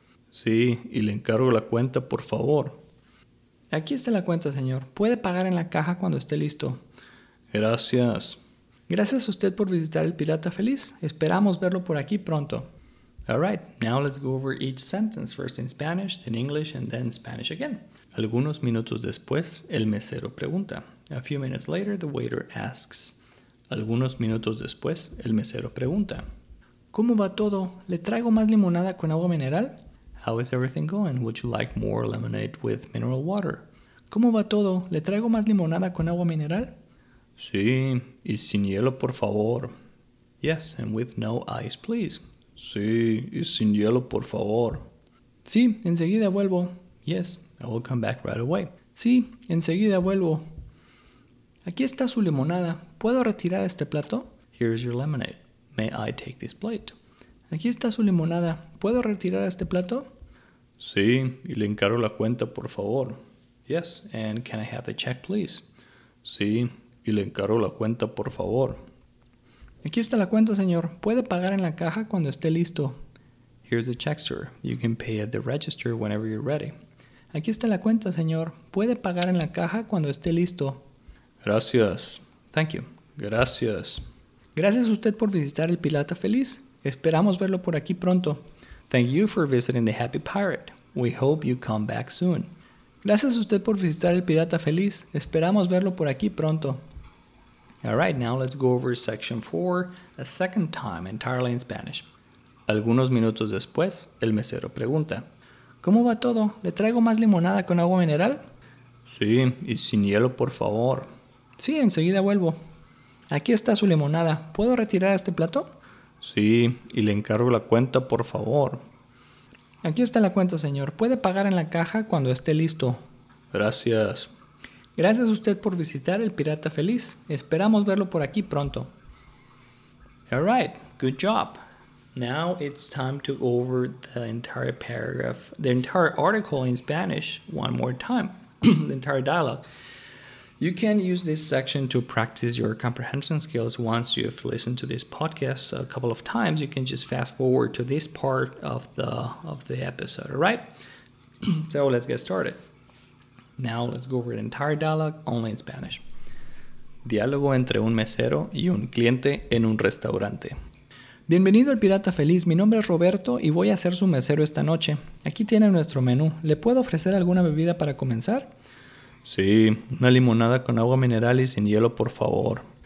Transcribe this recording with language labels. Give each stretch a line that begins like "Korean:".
Spanish: Sí, y le encargo la cuenta, por favor. Aquí está la cuenta, señor. Puede pagar en la caja cuando esté listo. Gracias. Gracias a usted por visitar el Pirata Feliz. Esperamos verlo por aquí pronto.
English: All right, now let's go over each sentence, first in Spanish, then English, and then Spanish again.
Spanish: Algunos minutos después, el mesero pregunta.
English: A few minutes later, the waiter asks.
Spanish: Algunos minutos después, el mesero pregunta. ¿Cómo va todo? ¿Le traigo más limonada con agua mineral?
English: How is everything going? Would you like more lemonade with mineral water?
Spanish: ¿Cómo va todo? ¿Le traigo más limonada con agua mineral? Sí, y sin hielo, por favor.
English: Yes, and with no ice, please.
Spanish: Sí, y sin hielo, por favor. Sí, enseguida vuelvo.
English: Yes, I will come back right away.
Spanish: Sí, enseguida vuelvo. Aquí está su limonada. ¿Puedo retirar este plato?
English: Here is your lemonade. May I take this plate?
Spanish: Aquí está su limonada. ¿Puedo retirar este plato? Sí, y le encargo la cuenta, por favor.
English: Yes, and can I have the check, please?
Spanish: Sí, y le encargo la cuenta, por favor. Aquí está la cuenta, señor. Puede pagar en la caja cuando esté listo.
English: Here's the check, sir. You can pay at the register whenever you're ready.
Spanish: Aquí está la cuenta, señor. Puede pagar en la caja cuando esté listo. Gracias.
English: Thank you.
Spanish: Gracias. Gracias a usted por visitar el Pirata Feliz. Esperamos verlo por aquí pronto.
English: Thank you for visiting the Happy Pirate. We hope you come back soon.
Spanish: Gracias a usted por visitar el Pirata Feliz. Esperamos verlo por aquí pronto.
English: All right, now let's go over section 4 a second time entirely in Spanish.
Spanish: Algunos minutos después, el mesero pregunta, ¿cómo va todo? ¿Le traigo más limonada con agua mineral? Sí, y sin hielo, por favor. Sí, enseguida vuelvo. Aquí está su limonada. ¿Puedo retirar este plato? Sí, y le encargo la cuenta, por favor. Aquí está la cuenta, señor. Puede pagar en la caja cuando esté listo. Gracias. Gracias a usted por visitar el Pirata Feliz. Esperamos verlo por aquí pronto.
English: All right, good job. Now it's time to go over the entire paragraph, the entire article in Spanish one more time, the entire dialogue. You can use this section to practice your comprehension skills once you've listened to this podcast a couple of times. You can just fast forward to this part of the episode, all right? So let's get started. Now let's go over the entire dialogue only in Spanish.
Spanish: Diálogo entre un mesero y un cliente en un restaurante. Bienvenido al Pirata Feliz, mi nombre es Roberto y voy a ser su mesero esta noche. Aquí tiene nuestro menú, ¿le puedo ofrecer alguna bebida para comenzar? Sí, una limonada con agua mineral y sin hielo, por favor.